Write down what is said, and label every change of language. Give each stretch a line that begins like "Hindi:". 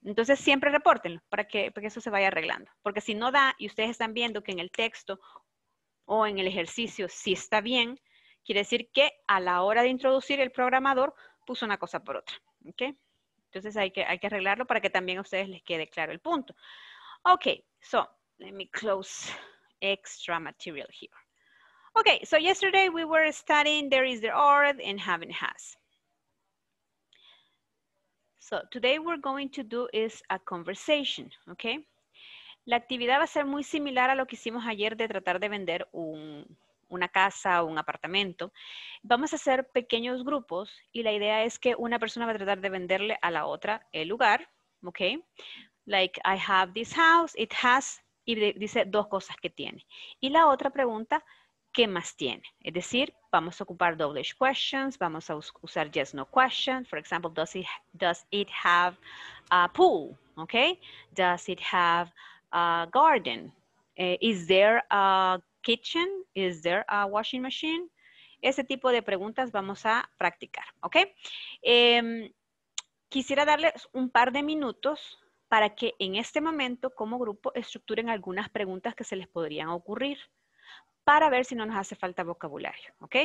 Spanish: Entonces, siempre repórtenlo para que eso se vaya arreglando. Porque si no da, y ustedes están viendo que en el texto o en el ejercicio, si está bien, quiere decir que a la hora de introducir el programador, puso una cosa por otra, ¿ok? Entonces hay que arreglarlo para que también a ustedes les quede claro el punto.
English: Ok, so, let me close extra material here. Ok, so yesterday we were studying there is, there are, and have and has. So, today we're going to do is a conversation, ¿ok?
Spanish: La actividad va a ser muy similar a lo que hicimos ayer de tratar de vender una casa o un apartamento. Vamos a hacer pequeños grupos y la idea es que una persona va a tratar de venderle a la otra el lugar, ¿ok?
English: Like, I have this house, it has, y dice dos cosas que tiene.
Spanish: Y la otra pregunta, ¿qué más tiene? Es decir, vamos a ocupar double questions, vamos a usar yes, no questions.
English: For example, does it have a pool, ¿ok? Does it have a garden, is there a kitchen, is there a washing machine?
Spanish: Ese tipo de preguntas vamos a practicar, ¿ok? Quisiera darles un par de minutos para que en este momento como grupo estructuren algunas preguntas que se les podrían ocurrir para ver si no nos hace falta vocabulario, ¿ok?